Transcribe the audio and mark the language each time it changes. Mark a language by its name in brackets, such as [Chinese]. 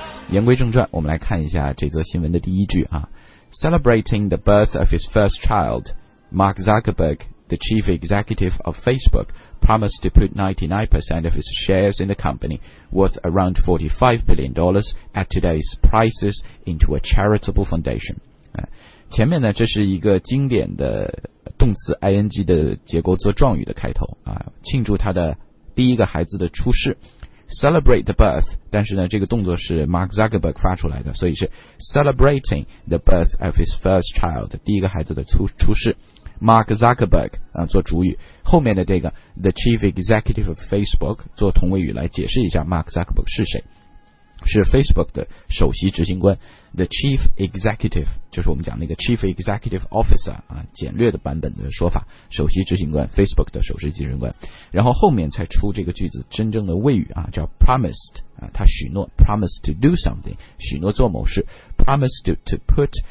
[Chinese] 言归正传，我们来看一下这则新闻的第一句啊。 [English] Celebrating the birth of his first child, Mark Zuckerberg, the chief executive of Facebook, promised to put 99% of his shares in the company, worth around $45 billion at today's prices, into a charitable foundation. [Chinese] 前面呢，这是一个经典的动词 ing 的结构做状语的开头啊，庆祝他的第一个孩子的出世。 Celebrate the birth，但是呢，这个动作是 Mark Zuckerberg 发出来的，所以是 celebrating the birth of his first child，第一个孩子的出世。 Mark Zuckerberg 啊，做主语，后面的这个 the chief executive of Facebook 做同位语来解释一下 Mark Zuckerberg 是谁，是 Facebook 的首席执行官 ， the chief executive 就是我们讲那个 chief executive officer 啊，简略的版本的说法，首席执行官 ，Facebook 的首席执行官，然后后面才出这个句子真正的谓语啊，叫 promised 啊，他许诺 promise to do something，许诺做某事 ， promise to put